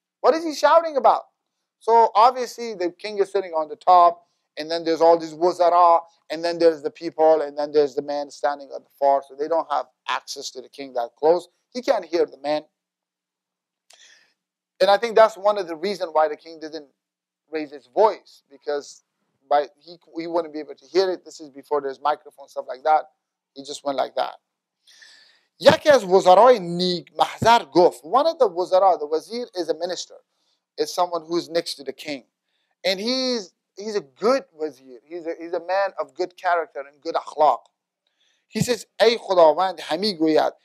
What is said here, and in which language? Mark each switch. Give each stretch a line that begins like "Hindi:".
English: What is he shouting about? So obviously the king is sitting on the top, and then there's all these wuzara, and then there's the people, and then there's the man standing at the far, so they don't have access to the king that close. He can't hear the man. And I think that's one of the reasons why the king didn't raise his voice, because he wouldn't be able to hear it. This is before there's microphones, stuff like that. He just went like that.
Persian: یکی از وزرای نیک محضر گفت.
English: One of the wuzara, the wazir, is a minister. It's someone who's next to the king. And he's a good wazir. He's a man of good character and good akhlaq. He says,
Persian: ای خداوند همی گوید.